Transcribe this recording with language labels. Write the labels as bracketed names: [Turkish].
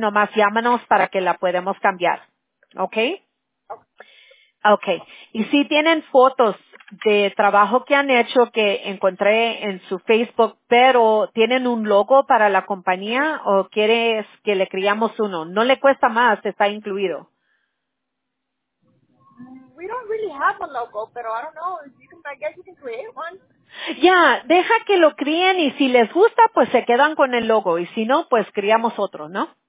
[Spanish] Nomás llámanos para que la podamos cambiar, ¿okay? Okay. Y si tienen fotos de trabajo que han hecho que encontré en su Facebook, pero tienen un logo para la compañía o quieres que le creamos uno, no le cuesta más, está incluido. [English] We don't really have a logo, pero I don't know. I guess you can create one. [Spanish] Yeah, deja que lo críen y si les gusta, pues se quedan con el logo y si no, pues criamos otro, ¿no?